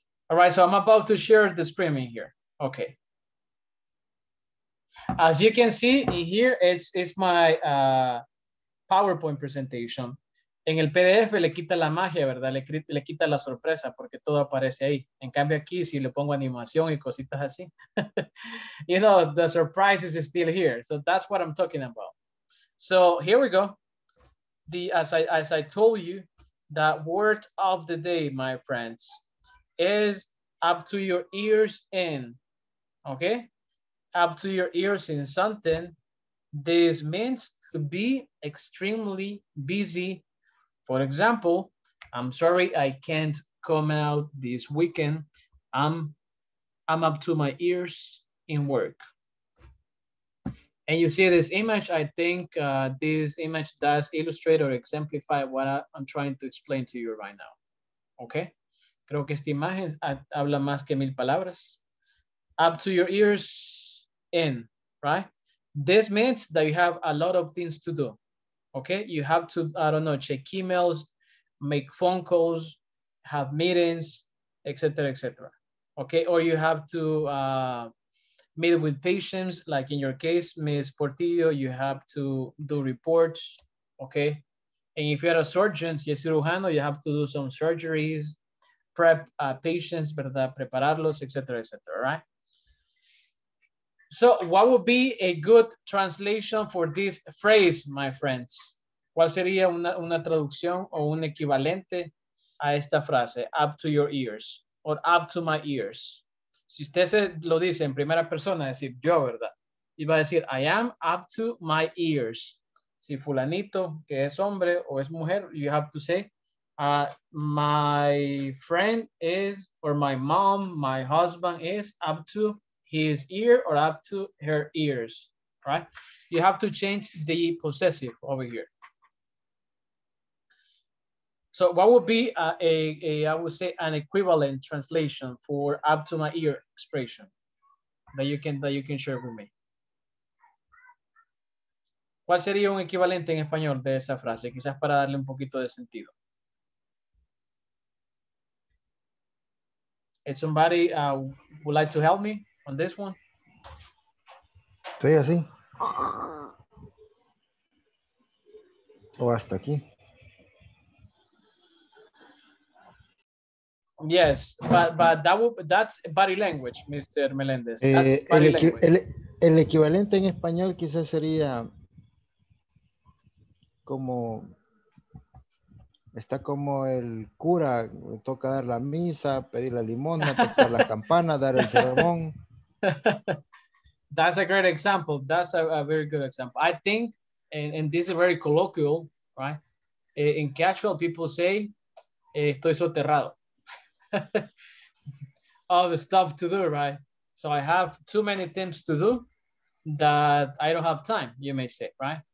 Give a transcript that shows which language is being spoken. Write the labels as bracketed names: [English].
[English] All right, so I'm about to share the screen here. Ok. As you can see here, it's my PowerPoint presentation. [Spanish] En el PDF le quita la magia, ¿verdad? Le quita la sorpresa porque todo aparece ahí. En cambio aquí, si le pongo animación y cositas así, [English] you know, the surprise is still here. So that's what I'm talking about. So here we go. As I told you, the word of the day, my friends, is up to your ears in, okay? Up to your ears in something. This means to be extremely busy. For example, I'm sorry, I can't come out this weekend. I'm up to my ears in work. And you see this image, I think this image does illustrate or exemplify what I'm trying to explain to you right now. Okay? [Spanish] Creo que esta imagen habla más que mil palabras. [English] Up to your ears. In, right? This means that you have a lot of things to do, okay? You have to, I don't know, check emails, make phone calls, have meetings, etcétera, etcétera. Okay, or you have to meet with patients, like in your case, Ms. Portillo, you have to do reports, okay? And if you are a surgeon, [Spanish] si es cirujano, [English] you have to do some surgeries, prep patients, ¿verdad? [Spanish] Prepararlos, etcétera, etcétera, right? [English] So what would be a good translation for this phrase, my friends? [Spanish] ¿Cuál sería una traducción o un equivalente a esta frase? [English] Up to your ears, or up to my ears. [Spanish] Si usted se lo dice en primera persona, decir yo, ¿verdad? Y va a decir, [English] I am up to my ears. [Spanish] Si fulanito, que es hombre o es mujer, [English] you have to say, my friend is, or my mom, my husband is up to his ear or up to her ears, right? You have to change the possessive over here. So what would be an equivalent translation for up to my ear expression that you can share with me? [Spanish] ¿Cuál sería un equivalente en español de esa frase? Quizás para darle un poquito de sentido. [English] If somebody would like to help me on this one? [Spanish] Estoy así. O hasta aquí. [English] Yes, but that's body language, Mr. Melendez. That's [Spanish] el equivalente en español quizás sería como está como el cura, toca dar la misa, pedir la limosna, tocar la campana, dar el sermón. [English] That's a great example. That's a very good example. I think, and this is very colloquial, right? In casual, people say, [Spanish] estoy soterrado. [English] All the stuff to do, right? So I have too many things to do that I don't have time, you may say, right?